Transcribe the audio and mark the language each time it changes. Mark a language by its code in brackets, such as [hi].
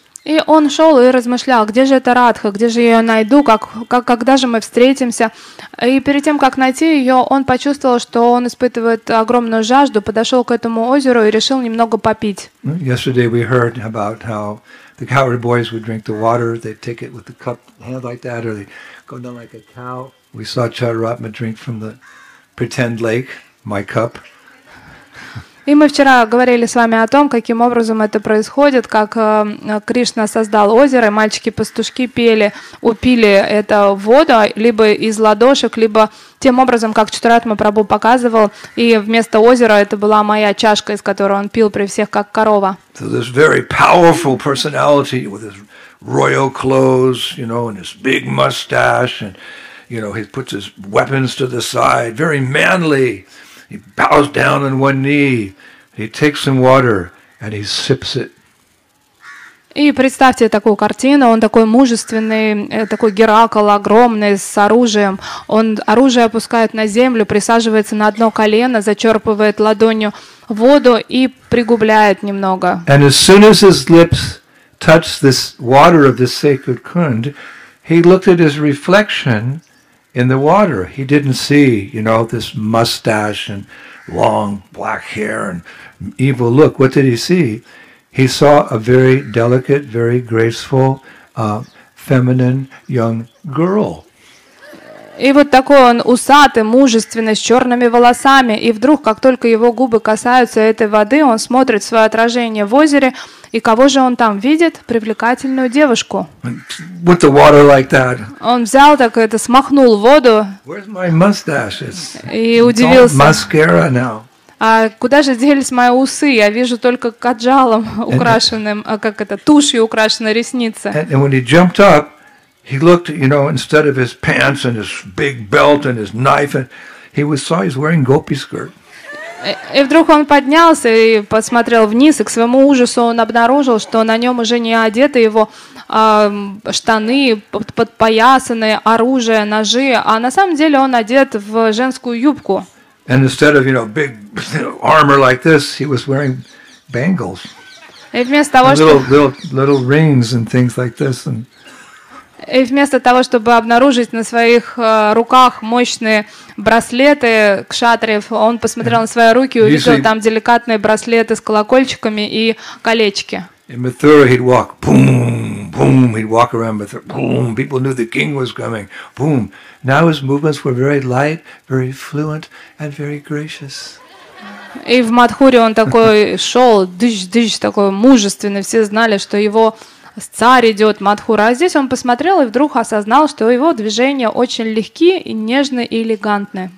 [ru] И он шел и размышлял, где же эта Радха, где же ее найду, как когда же мы встретимся. И перед тем, как найти ее, он почувствовал, что он испытывает огромную жажду, подошел к этому озеру и решил немного попить. [en] Yesterday we heard about how the coward boys would drink the water. They'd take it with a cup hand like that, or they go down like a cow. We saw Chaturatma drink from the pretend lake, my cup. [ru] И мы вчера говорили с вами о том, каким образом это происходит, как Кришна создал озеро, мальчики-пастушки пели, упили это воду, либо из ладошек, либо тем образом, как Чатуратма Прабху показывал, и вместо озера это была моя чашка, из которой он пил при всех, как корова. [en] So this very powerful personality with his royal clothes, you know, and his big mustache, and you know, he puts his weapons to the side, very manly. He bows down on one knee. He takes some water and he sips it. [ru] И представьте такую картину. Он такой мужественный, такой Геракл огромный с оружием. Он оружие опускает на землю, присаживается на одно колено, зачерпывает ладонью воду и пригубляет немного. [en] And as soon as his lips touched this water of the sacred kund, he looked at his reflection in the water. He didn't see, you know, this mustache and long black hair and evil look. What did he see? He saw a very delicate, very graceful, feminine young girl. [ru] И вот такой он усатый, мужественный, с черными волосами. И вдруг, как только его губы касаются этой воды, он смотрит свое отражение в озере. И кого же он там видит? Привлекательную девушку. [en] With the water like that. [ru] Он взял так это, смахнул воду. [en] Where's my mustache? It's [ru] и удивился. [en] Mascara now. [ru] А куда же делись мои усы? Я вижу только каджалом украшенным, как это, тушью украшены ресницы. [en] And when he jumped up, he looked, you know, instead of his pants and his big belt and his knife, and he was wearing gopi skirt. [ru] И вдруг он поднялся и посмотрел вниз, и к своему ужасу он обнаружил, что на нем уже не одеты его штаны, подпоясанные, оружие, ножи, а на самом деле он одет в женскую юбку. [en] And instead of, you know, big armor like this, he was wearing bangles. [ru] И вместо того, [en] little rings and things like this. [ru] И вместо того, чтобы обнаружить на своих руках мощные браслеты кшатриев, он посмотрел на свои руки и увидел там деликатные браслеты с колокольчиками и колечки. [en] In Mathura he'd walk, boom, boom, he'd walk around Mathura, boom, people knew the king was coming, boom. Now his movements were very light, very fluent and very gracious. [ru] И в Мадхуре он такой шел, дыщ-дыщ, такой мужественный, все знали, что его царь идет, Мадхура. А здесь он посмотрел и вдруг осознал, что его движения очень легки, и нежны и элегантны.